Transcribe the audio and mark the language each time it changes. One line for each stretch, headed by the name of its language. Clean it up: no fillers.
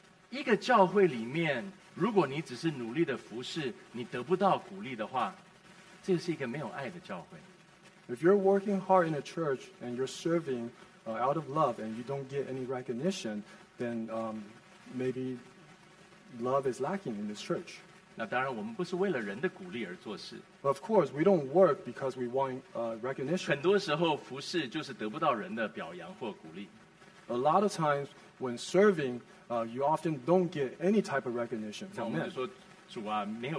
Chinese: 一个教会里面 如果你只是努力的服侍，你得不到鼓励的话，这是一个没有爱的教会。If
English: you're working hard in a church and you're serving out of love and you don't get any recognition, then maybe love is lacking in this church.
Chinese: 那当然，我们不是为了人的鼓励而做事。But
English: of course, we don't work because we want recognition.
Chinese: 很多时候，服侍就是得不到人的表扬或鼓励。A
English: lot of times when serving. You often don't get any type of recognition from men.